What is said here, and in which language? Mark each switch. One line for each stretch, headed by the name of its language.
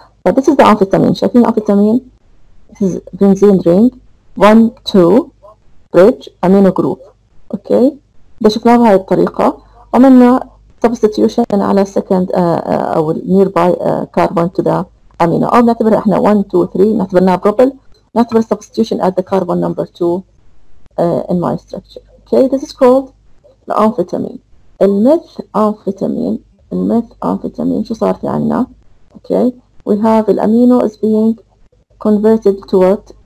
English: But this is the amphetamine. شايفين amphetamine? This is benzene ring 1-2 bridge amino group. Okay.
Arabic: ده شفناه بهاي الطريقة. عملنا substitution على second أو nearby carbon to the amino. أو نعتبر إحنا 1-2-3 نعتبرناه propyl.
English: نعتبر substitution at the carbon number 2 in my structure. Okay. This is called
Arabic: الأنفيتامين. الميث أنفيتامين، الميث أنفيتامين شو صار في عنا؟
English: Okay, we have the amino is being converted to what?